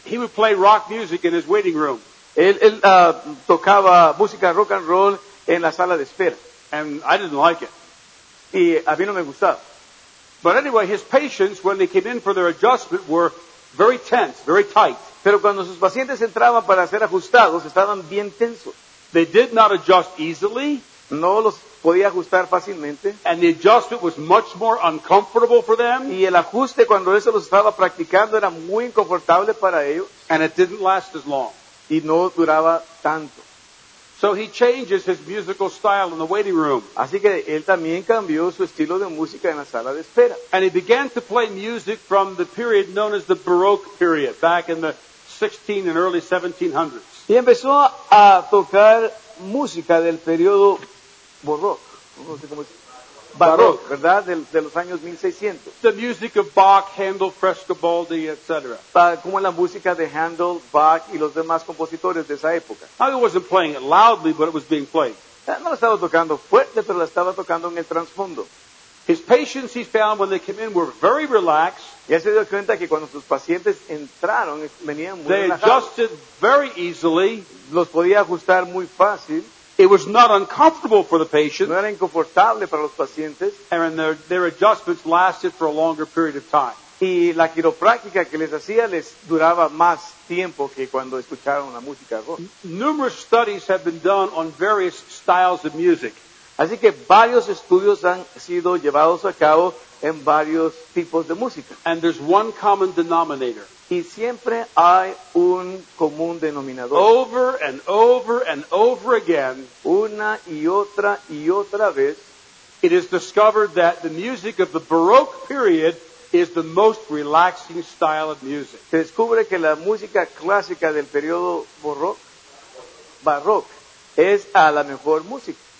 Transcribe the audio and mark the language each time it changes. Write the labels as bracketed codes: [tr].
[en] He would play rock music in his waiting room. [es] Él tocaba música rock and roll en la sala de espera. [en] And I didn't like it. [es] Y a mí no me gustaba. [en] But anyway, his patients, when they came in for their adjustment, were very tense, very tight. [es] Pero cuando sus pacientes entraban para ser ajustados, estaban bien tensos. [en] They did not adjust easily. [es] No los podía ajustar fácilmente. [en] And the adjustment was much more uncomfortable for them. [es] Y el ajuste cuando eso los estaba practicando era muy incomfortable para ellos. [en] And it didn't last as long. [es] Y no duraba tanto. [en] So he changes his musical style in the waiting room. [es] Así que él también cambió su estilo de música en la sala de espera. [en] And he began to play music from the period known as the Baroque period, back in the 16 and early 1700s. [es] Y empezó a tocar música del periodo Baroque, ¿verdad? De los años 1600. [en] The music of Bach, Handel, Frescobaldi, etc. [es] Como la música de Handel, Bach y los demás compositores de esa época. [en] I wasn't playing it loudly, but it was being played. [es] No la estaba tocando fuerte, pero la estaba tocando en el trasfondo. [en] His patients, he found, when they came in, were very relaxed. [es] Ya se dio cuenta que cuando sus pacientes entraron, venían muy relajados. [en] They adjusted very easily. [es] Los podía ajustar muy fácil. [en] It was not uncomfortable for the patient. [es] No era incomfortable para los pacientes. [en] And their adjustments lasted for a longer period of time. [es] Y la quiropráctica que les hacía les duraba más tiempo que cuando escucharon la música rock. [en] Numerous studies have been done on various styles of music. [es] Así que varios estudios han sido llevados a cabo en varios tipos de música. [en] And there's one common denominator. [es] Y siempre hay un común denominador. [en] Over and over and over again, [es] una y otra vez, [en] it is discovered that the music of the Baroque period is the most relaxing style of music. [es] Se descubre que la música clásica del periodo barroco es a la mejor música.